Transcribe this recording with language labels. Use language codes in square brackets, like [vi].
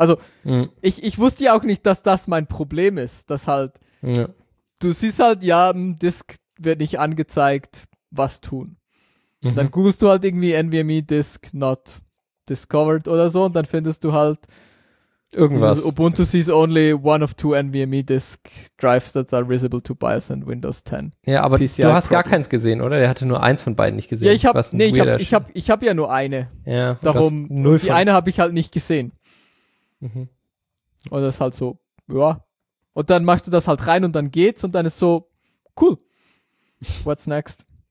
[de] Also, ich wusste ja auch nicht, dass das mein Problem ist, dass halt, du siehst halt, ja, im Disk wird nicht angezeigt, was tun. Dann googelst du halt irgendwie [en] NVMe Disk not discovered [de] oder so und dann findest du halt irgendwas. [en] Ubuntu sees only one of two NVMe disk drives that are visible to BIOS and Windows 10. [de] Ja, aber PCI du hast Problem. Gar keins gesehen, oder? Der hatte nur eins von beiden nicht gesehen. Ja, ich hab ja nur eine. Ja, darum, null die von. Eine habe ich halt nicht gesehen. Und das ist halt so, ja. Und dann machst du das halt rein und dann geht's und dann ist so, cool. [en] What's next?